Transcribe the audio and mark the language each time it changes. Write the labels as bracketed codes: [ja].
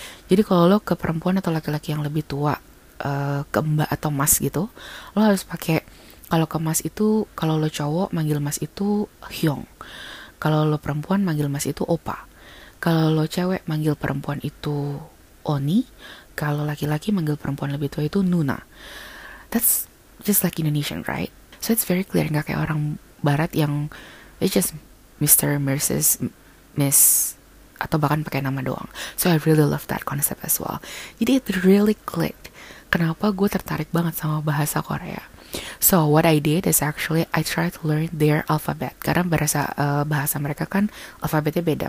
[id] Jadi kalau lo ke perempuan atau laki-laki yang lebih tua, ke mbak atau mas gitu, lo harus pakai, kalau ke mas itu, kalau lo cowok manggil mas itu hyong, kalau lo perempuan manggil mas itu opa, kalau lo cewek manggil perempuan itu oni, kalau laki-laki manggil perempuan lebih tua itu nuna. [en] That's just like Indonesian, right? So it's very clear, [id] nggak kayak orang barat yang [en] it's just Mr. Mrs. [id] Miss atau bahkan pakai nama doang. [en] So I really love that concept as well. [id] Jadi [en] it really clicked. [id] Kenapa gue tertarik banget sama bahasa Korea? [en] So what I did is actually I try to learn their alphabet. [id] Karena bahasa bahasa mereka kan alfabetnya beda.